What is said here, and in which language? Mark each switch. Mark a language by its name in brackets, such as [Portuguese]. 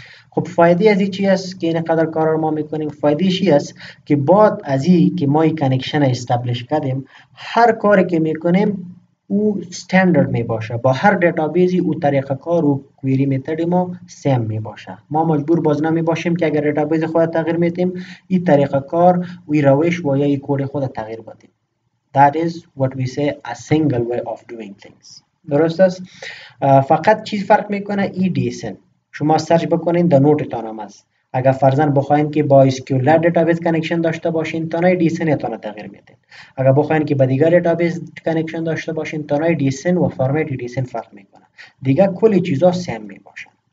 [Persian] خب فایده از این چی است که اینقدر کار رو ما میکنیم؟ فایده چی است که بعد از این که ما این کانکشن استابلیش کردیم هر کاری که میکنیم او استاندارد می باشه، با هر دیتابیزی او طریقه کار و کویری متد ما سیم می باشه. ما مجبور باز نمی باشیم که اگر دیتابیز خود تغییر میدیم این طریقه کار و این روش و یا این کد خود تغییر بدیم. [English] That is what we say a single way of doing things. [Persian] درست است. فقط چیز فرق میکنه ای دی اس ان. شما سرچ بکنین در نوت تان هم است. اگر فرضاً بخواین که با اسکیول دیتابیس کانکشن داشته باشین تا نه دیسن تا تغییر میدین، اگر بخواین که با دیگر دیتابیس کانکشن داشته باشین تا نه دیسن و فرمت دیسن فرق میکنه، دیگه کل چیزا سیم میباشن.